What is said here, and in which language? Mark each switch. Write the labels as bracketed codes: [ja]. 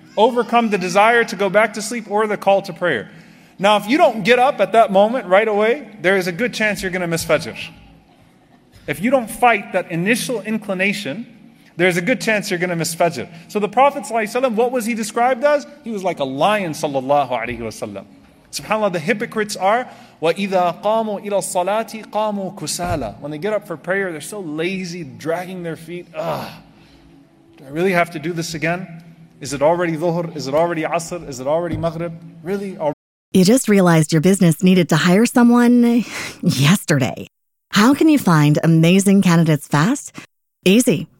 [en] Overcome the desire to go back to sleep or the call to prayer. Now, if you don't get up at that moment right away, there is a good chance you're going to miss Fajr. If you don't fight that initial inclination, there's a good chance you're going to miss Fajr. So the Prophet ﷺ, what was he described as? He was like a lion, sallallahu alaihi wasallam. SubhanAllah, the hypocrites are, [ar] وَإِذَا قَامُوا إِلَى الصَّلَاةِ قَامُوا كُسَالَى. [en] When they get up for prayer, they're so lazy, dragging their feet. Ugh, do I really have to do this again? Is it already dhuhr? Is it already asr? Is it already maghrib? Really? You just realized your business needed to hire someone yesterday. How can you find amazing candidates fast? Easy.